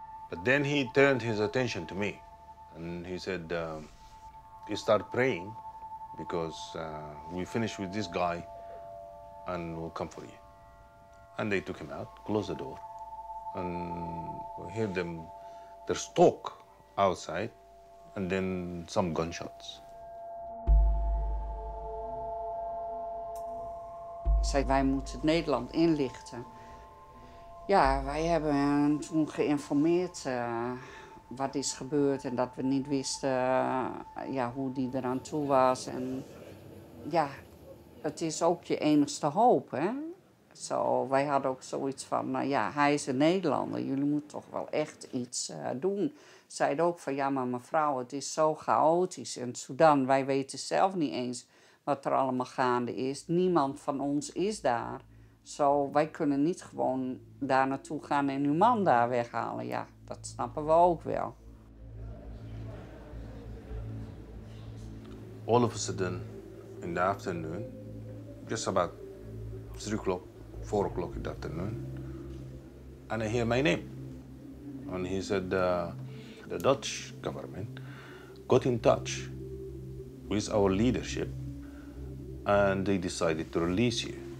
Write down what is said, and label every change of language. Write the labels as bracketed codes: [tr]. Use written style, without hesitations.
[en] But then he turned his attention to me and he said, you start praying because we finish with this guy and we'll come for you. And they took him out, closed the door, and we hear them, there's talk outside and then some gunshots. [nl] Zei, wij moeten Nederland inlichten. Ja, wij hebben hen toen geïnformeerd wat is gebeurd en dat we niet wisten hoe die eraan toe was. En ja, het is ook je enigste hoop, hè. Zo, wij hadden ook zoiets van, hij is een Nederlander, jullie moeten toch wel echt iets doen. Zeiden ook van, ja, maar mevrouw, het is zo chaotisch in Sudan. Wij weten zelf niet eens wat er allemaal gaande is. Niemand van ons is daar. Zo, wij kunnen niet gewoon daar naartoe gaan en uw man daar weghalen. Ja, dat snappen we ook wel. [en] All of a sudden, in the afternoon, just about 3 o'clock, 4 o'clock in the afternoon, and I hear my name. And he said, the Dutch government got in touch with our leadership and they decided to release you.